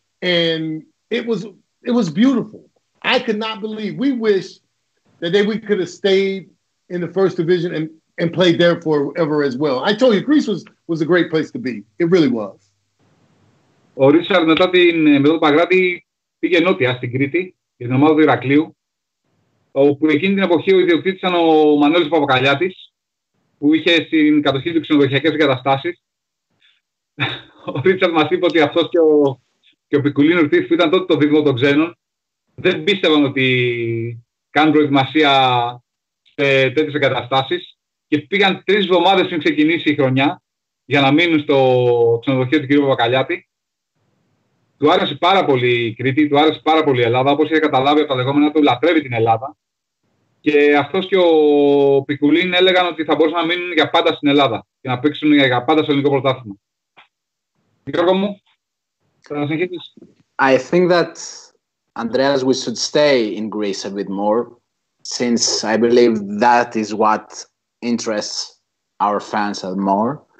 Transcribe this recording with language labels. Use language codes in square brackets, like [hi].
[en] And it was beautiful. I could not believe. We wish that we could have stayed in the first division and played there forever as well. I told you, Greece was a great place to be. It really was. [el] Ο Ρίτσαρντ, μετά την Μεδόλου Παγκράτη, πήγε νότια στην Κρήτη, για την ομάδα του Ηρακλείου, όπου εκείνη την εποχή ο ιδιοκτήτης ήταν ο Μανώλης Παπακαλιάτης, που είχε στην κατοχή του ξενοδοχειακές εγκαταστάσεις. Ο Ρίτσαρντ μας είπε ότι αυτός και ο Πικουλίνο Ρτίφ, που ήταν τότε το δίδυμο των ξένων, δεν πίστευαν ότι κάνουν προετοιμασία σε τέτοιες εγκαταστάσεις και πήγαν τρεις εβδομάδες πριν ξεκινήσει η χρονιά για να μείνουν στο ξενοδοχείο του κ. Παπακαλιάτη. Του άρεσε πάρα πολύ η Κρήτη, του άρεσε πάρα πολύ η Ελλάδα, όπως είχε καταλάβει από τα λεγόμενα του, λατρεύει την Ελλάδα. Και αυτός και ο Πικουλίν έλεγαν ότι θα μπορούσαν να μείνουν για πάντα στην Ελλάδα και να παίξουν για πάντα στο ελληνικό πρωτάθλημα. Γιώργο μου, θα συνεχίσεις. [en] I think that, Andreas, we should stay in Greece a bit more, since I believe that is what interests our fans more.